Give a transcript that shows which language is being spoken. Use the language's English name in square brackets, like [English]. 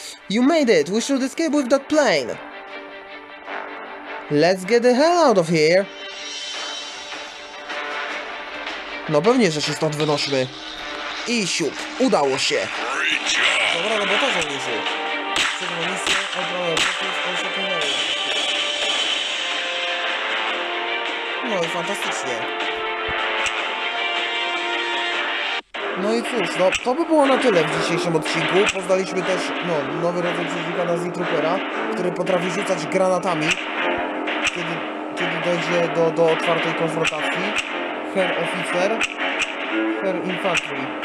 [English] You made it! We should escape with that plane! Let's get the hell out of here! [Polish] No pewnie, że się stąd wynosimy. I siup! Udało się! Dobra, no bo to żołnierzy. Przedmonicja, obrona, to jest on się pomaga. No i fantastycznie. No i cóż, no to by było na tyle w dzisiejszym odcinku. Poznaliśmy też no, nowy rodzaj przeciwnika na Z-Troopera, który potrafi rzucać granatami, kiedy dojdzie do otwartej konfrontacji. [German] Herr Officer, Herr Infantry.